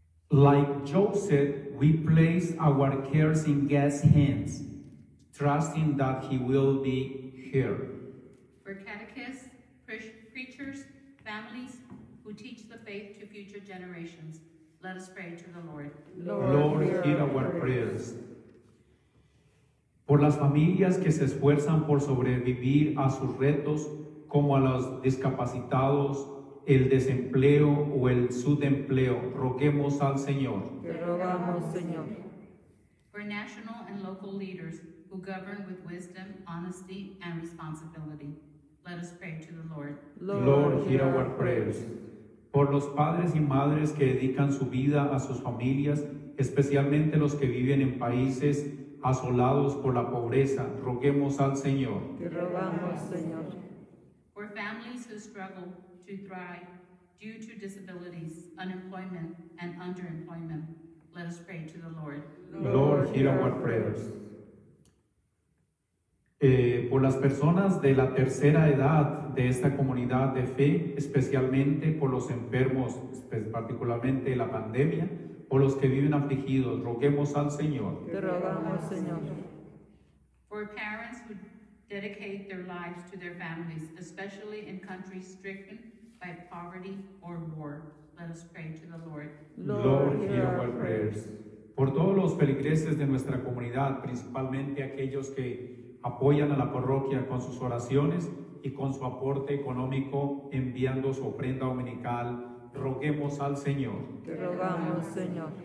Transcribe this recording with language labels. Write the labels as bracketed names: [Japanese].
[English] Like Joseph, we place our cares in God's hands, trusting that He will be here. For catechists, preachers, families who teach the faith to future generations, let us pray to the Lord. Lord, hear our prayers. [Spanish] Por las familias que se esfuerzan por sobrevivir a sus retos, como a los discapacitados, el desempleo o el subempleo, roguemos al Señor. Te rogamos, Señor. [English] For national and local leaders who govern with wisdom, honesty, and responsibility, let us pray to the Lord. Lord, hear our prayers. [Spanish] Por los padres y madres que dedican su vida a sus familias, especialmente los que viven en países asolados por la pobreza, roguemos al Señor. Te rogamos, Señor. [English] For families who struggle to thrive due to disabilities, unemployment, and underemployment, let us pray to the Lord. Lord, hear our prayers. [Spanish] Por las personas de la tercera edad de esta comunidad de fe, especialmente por los enfermos, particularmente la pandemia, por los que viven afligidos, roguemos al Señor. Te rogamos, Señor. [English] For parents who dedicate their lives to their families, especially in countries stricken by poverty or war, let us pray to the Lord. Lord, hear our prayers. [Spanish] Por todos los feligreses de nuestra comunidad, principalmente aquellos que apoyan a la parroquia con sus oraciones y con su aporte económico enviando su ofrenda dominical, roguemos al Señor. Te rogamos, Señor.